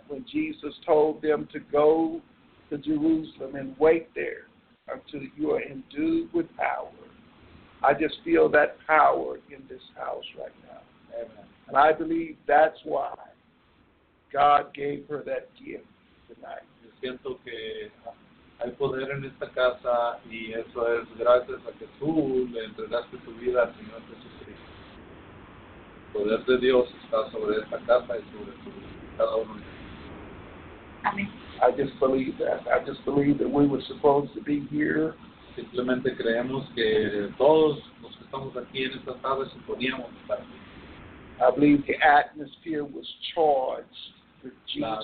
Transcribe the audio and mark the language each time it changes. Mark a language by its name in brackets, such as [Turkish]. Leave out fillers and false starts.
[English] When Jesus told them to go to Jerusalem and wait there until you are endued with power. I just feel that power in this house right now. Amen. And I believe that's why God gave her that gift tonight. [Spanish] Yo siento que hay poder en esta casa y eso es gracias a que tú le entregaste tu vida al Señor Jesucristo. El poder de Dios está sobre esta casa y sobre tu cada uno de ellos. Amen. [English] I just believe that. I just believe that we were supposed to be here. [Spanish] Simplemente creemos que todos los que estamos aquí en esta sala se poníamos para ti. [English] I believe the atmosphere was charged with Jesus